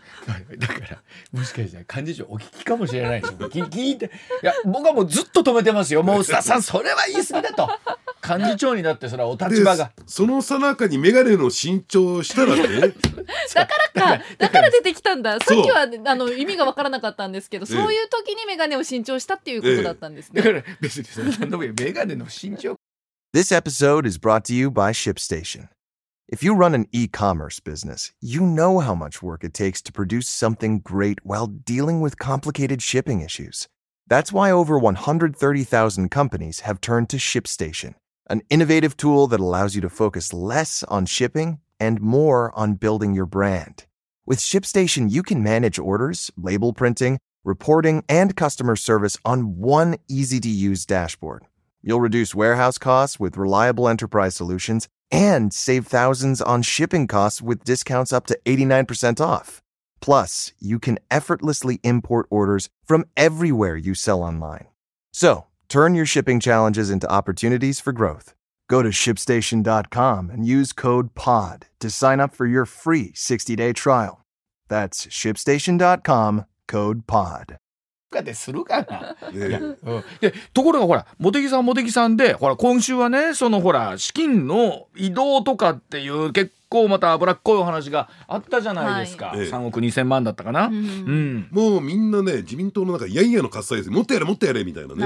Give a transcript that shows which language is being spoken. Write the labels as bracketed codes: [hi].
[ja] だからもしかしたら幹事長お聞きかもしれないでしょ、聞いて、いや僕はもうずっと止めてますよ、もうスタッフさんそれは言い過ぎだと幹事長になってそれはお立場が、その最中に眼鏡の新調したらねだからか、だから出てきたんだ、さっきは、ね、あの意味が分からなかったんですけど、そういう時に眼鏡を新調したっていうことだったんですね、だから別にその何でもいい、眼鏡の新調。 [en] This episode is brought to you by ShipStation. If you run an e-commerce business, you know how much work it takes to produce something great while dealing with complicated shipping issues. That's why over 130,000 companies have turned to ShipStation, an innovative tool that allows you to focus less on shipping and more on building your brand. With ShipStation, you can manage orders, label printing, reporting, and customer service on one easy-to-use dashboard. You'll reduce warehouse costs with reliable enterprise solutions and save thousands on shipping costs with discounts up to 89% off. Plus, you can effortlessly import orders from everywhere you sell online. So, turn your shipping challenges into opportunities for growth. Go to ShipStation.com and use code POD to sign up for your free 60-day trial. That's ShipStation.com, code POD. [ja] するかな、でところがほら茂木さん茂木さんでほら今週はねそのほら資金の移動とかっていう結構また脂っこいお話があったじゃないですか、はい、3億2000万だったかな、うんうん、もうみんなね自民党の中いやいやの喝采ですもっとやれもっとやれみたいなね